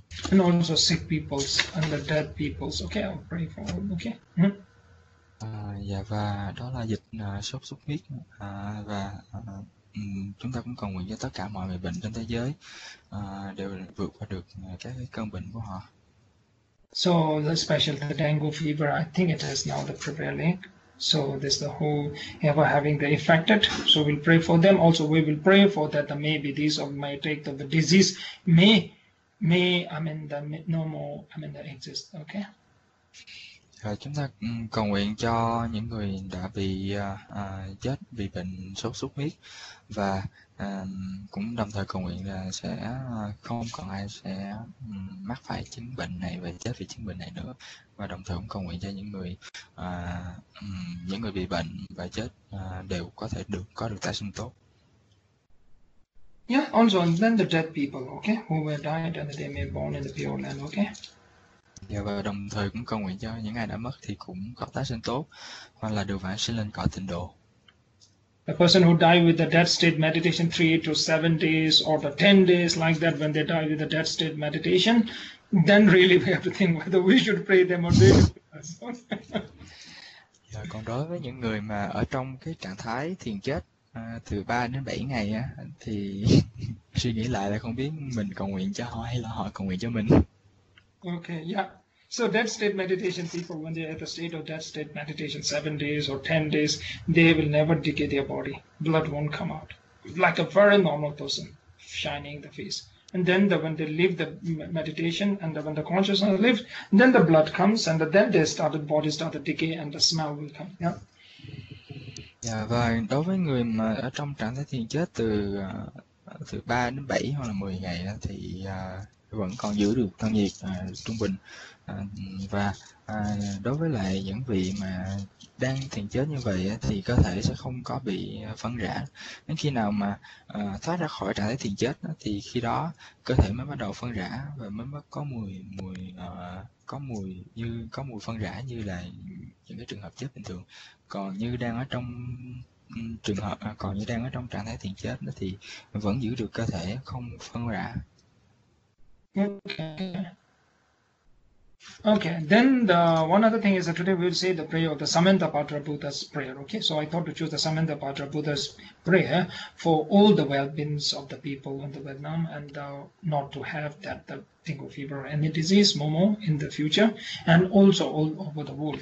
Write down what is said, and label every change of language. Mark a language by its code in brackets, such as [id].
[en] And also sick peoples and the dead peoples. Okay, I'll pray for all. Okay. [vi] Dạ, và đó là dịch sốt xuất huyết, và chúng ta cũng cầu nguyện cho tất cả mọi người bệnh trên thế giới đều vượt qua được các cơn bệnh của họ. [en] Especially the dengue fever, I think it has now the prevailing. So this the whole ever having the infected. So we'll pray for them. Also, we will pray for that. Maybe these of my take of the disease may I mean the may, no more I mean the exist. Okay. [vi] Rồi chúng ta cầu nguyện cho những người đã bị chết vì bệnh sốt xuất huyết, và cũng đồng thời cầu nguyện là sẽ không còn ai sẽ mắc phải chứng bệnh này và chết vì chứng bệnh này nữa, và đồng thời cũng cầu nguyện cho những người bị bệnh và chết đều có thể được có được tái sinh tốt. [en] Yeah, also, and then the dead people, okay, who were died and they may born in the Pure Land, okay. [vi] Dạ, và đồng thời cũng cầu nguyện cho những ai đã mất thì cũng có tái sinh tốt hoặc là được vãng sinh lên cõi tịnh độ. [en] The person who died with the dead state meditation 3 to 7 days or the 10 days like that when they die with the dead state meditation, then really we have to think whether we should pray them or they should pray us. [vi] Dạ, còn đối với những người mà ở trong cái trạng thái thiền chết từ 3 đến 7 ngày á, thì suy nghĩ lại là không biết mình cầu nguyện cho họ hay là họ cầu nguyện cho mình. [en] Okay, yeah. So death state meditation people, when they are at the state of death state meditation 7 days or 10 days, they will never decay their body. Blood won't come out. Like a very normal person, shining the face. And then when they leave the meditation and when the consciousness leaves, then the blood comes and then they started body started decay and the smell will come. Yeah. [vi] Dạ, và đối với người mà ở trong trạng thái thiền chết từ từ 3 đến 7 hoặc là 10 ngày đó, thì vẫn còn giữ được thân nhiệt trung bình, và đối với lại những vị mà đang thiền chết như vậy thì cơ thể sẽ không có bị phân rã. Đến khi nào mà thoát ra khỏi trạng thái thiền chết thì khi đó cơ thể mới bắt đầu phân rã và mới mới có mùi mùi có mùi như có mùi phân rã như là những cái trường hợp chết bình thường. Còn như đang ở trong trường hợp còn như đang ở trong trạng thái thiền chết thì vẫn giữ được cơ thể không phân rã. [en] Okay, then one other thing is that today we'll say the prayer of the Samantabhadra Buddha's prayer. Okay, so I thought to choose the Samantabhadra Buddha's prayer for all the well-beings of the people in the Vietnam and not to have that the dengue fever or any disease more in the future and also all over the world.